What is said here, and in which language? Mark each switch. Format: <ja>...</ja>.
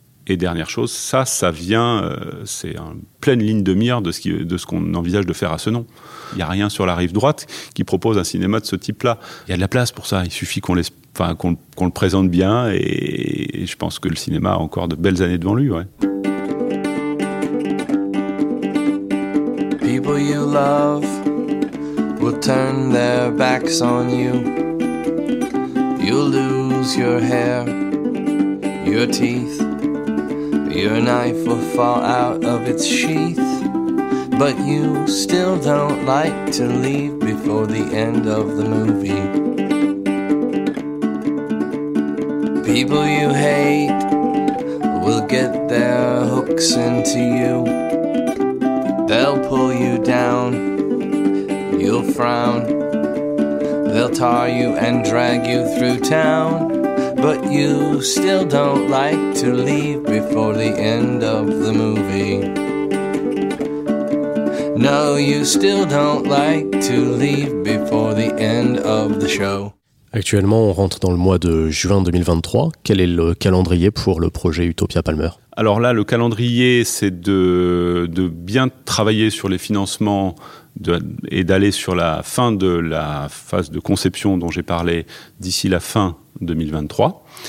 <fr>Et dernière chose, ça vient, c'est une pleine ligne de mire de ce qu'on envisage de faire à ce nom. Il n'y a rien sur la rive droite qui propose un cinéma de ce type-là. Il y a de la place pour ça. Il suffit qu'on le présente bien. Et je pense que le cinéma a encore de belles années devant lui. Ouais.</fr> <en>People you love will turn their backs on you. You'll lose your hair, your teeth. Your knife will fall out of its sheath. But you still don't like to leave before the end of the movie. People you hate will get their hooks into you. They'll pull you down, you'll frown. They'll tar you and drag you through town. But you still don't like to leave before the end of the movie. No, you still don't like to leave before the end of the show.</en> <fr>Actuellement, on rentre dans le mois de juin 2023. Quel est le calendrier pour le projet Utopia Palmer ? Alors là, le calendrier, c'est de bien travailler sur les financements et d'aller sur la fin de la phase de conception dont j'ai parlé d'ici la fin 2023.</fr>